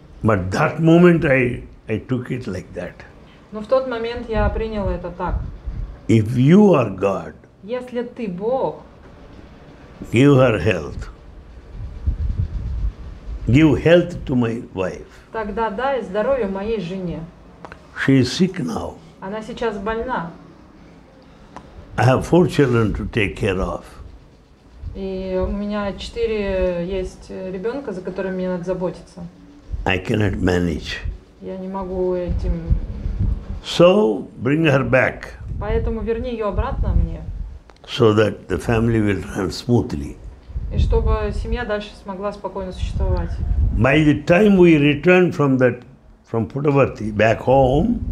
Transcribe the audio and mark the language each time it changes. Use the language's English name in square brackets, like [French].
[English] But that moment I took it like that. [Russian] Но в тот момент я принял это так. [English] If you are God. [Russian] Если ты Бог. [English] Give her health. Give health to my wife. [Russian] Тогда дай здоровье моей жене. [English] She is sick now. [Russian] Она сейчас больна. [English] I have 4 children to take care of. [Russian] И у меня 4 есть ребенка, за которыми мне надо заботиться. [English] I cannot manage. [Russian] Я не могу этим. [English] So bring her back. [Russian] Поэтому верни ее обратно мне. [English] So that the family will run smoothly. [Russian] И чтобы семья дальше смогла спокойно существовать. [English] By the time we returned from Puttaparthi back home.